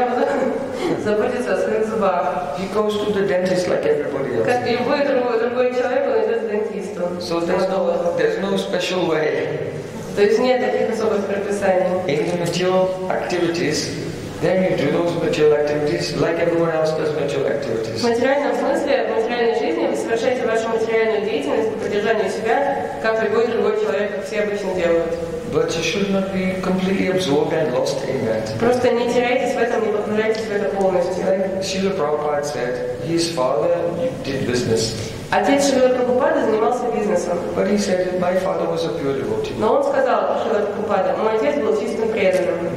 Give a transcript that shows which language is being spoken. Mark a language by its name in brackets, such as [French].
[English] He goes to the dentist like everybody else. So there's no special way. In the material activities, then you do those material activities like everyone else does material activities. [Russian] Совершайте вашу материальную деятельность по поддержанию себя, как любой другой человек, как все обычно делают. [English] But you should not be completely absorbed and lost in that. [Russian] Просто не теряйтесь в этом, не погружайтесь в это полностью. [English] Like Srila Prabhupada said, his father did business. [Russian] Отец Шрила Прабхупады занимался бизнесом. [English] But he said, my father was a pure devotee. [Russian] Но он сказал, Шрила Прабхупада, мой отец был чистым преданным.